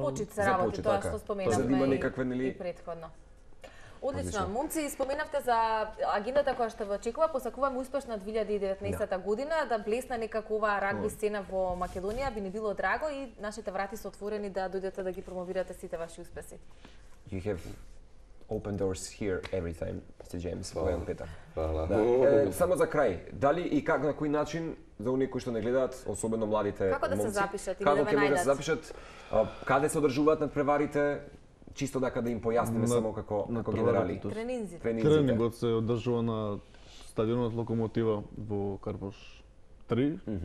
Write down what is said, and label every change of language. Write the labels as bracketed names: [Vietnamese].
[Macedonian] Започит се работи, тоа што споменавме и предходно. Одлично. Момци, споменавте за агендата која што ве очекува. Посакуваме успешна 2019 година, да блесна некакова рагби сцена во Македонија. Би ни било драго и нашите врати се отворени да дојдете да ги промовирате сите ваши успеси. [English] You have open doors here every time, Mr. [Macedonian] James. Hvala. Hvala. Да. Само за крај, дали и как, на кој начин, за оние кои што не гледаат, особено младите момци, како да се запишат? Како ќе може да се запишат? Каде се одржуваат надпреварите? Чисто дака да им појасниме само како генерали. Тренинзите. Тренингот се одржува на стадионот Локомотива во Карпош 3.